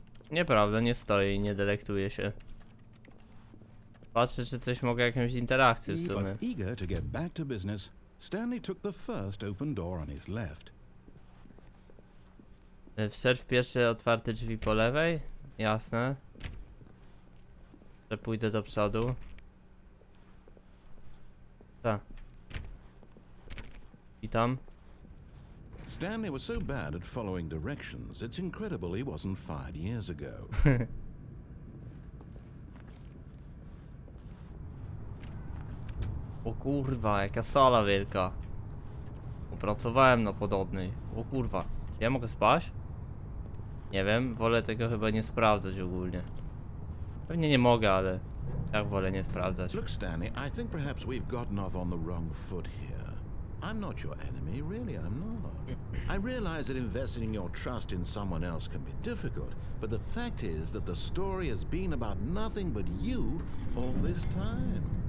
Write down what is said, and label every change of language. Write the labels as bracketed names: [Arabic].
[Polish] Nieprawda, nie stoi, nie delektuje się. Patrzę, czy coś mogę jakąś interakcję w sumie. [English] Eager to get back to business. Stanley took the first open door on his left. [Polish] Wszedł w pierwsze otwarte drzwi po lewej? Jasne. Że pójdę do przodu. Tak. Witam. [English] Stanley was so bad at following directions, it's incredible he wasn't fired years ago. [Polish] O kurwa, jaka sala wielka. Opracowałem na podobnej. O kurwa, czy ja mogę spać? Nie wiem, wolę tego chyba nie sprawdzać ogólnie. Pewnie nie mogę, ale jak wolę nie sprawdzać. [English] Look, Stanley, I think perhaps we've gotten off on the wrong foot here. I'm not your enemy, really, I'm not. I realize that investing your trust in someone else can be difficult, but the fact is that the story has been about nothing but you all this time.